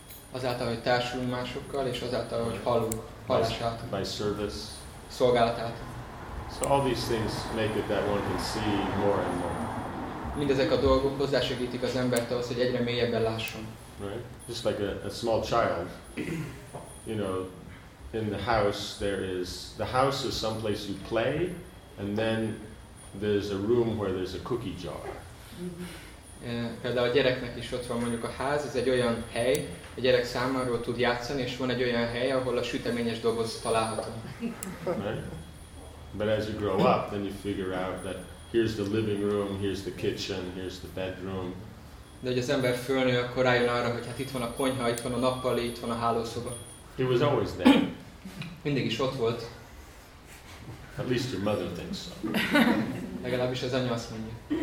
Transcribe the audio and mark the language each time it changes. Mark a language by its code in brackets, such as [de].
[hu] Azáltal, hogy társulunk másokkal, és azáltal, hogy hallunk. [en] By service. [hu] Szolgálatát. [en] So all these things make it that one can see more and more. [hu] Mindezek a dolgok hozzásegítik az embert ahhoz, hogy egyre mélyebben lásson. [en] Right? Just like a small child, you know, in the house there is, the house is some place you play, and then there's a room where there's a cookie jar. [hu] Például a gyereknek is ott van mondjuk a ház, ez egy olyan hely, a gyerek számára tud játszani, és van egy olyan hely, ahol a süteményes doboz található. [en] But as you grow up, then you figure out that here's the living room, here's the kitchen, here's the bedroom. [hu] De hogy az ember fölnő, akkor rájön arra, hogy hát itt van a konyha, itt van a nappali, itt van a hálószoba. [en] It was always there. [hu] Mindig is ott volt. [en] At least your mother thinks so. [hu] Legalábbis az anya azt mondja.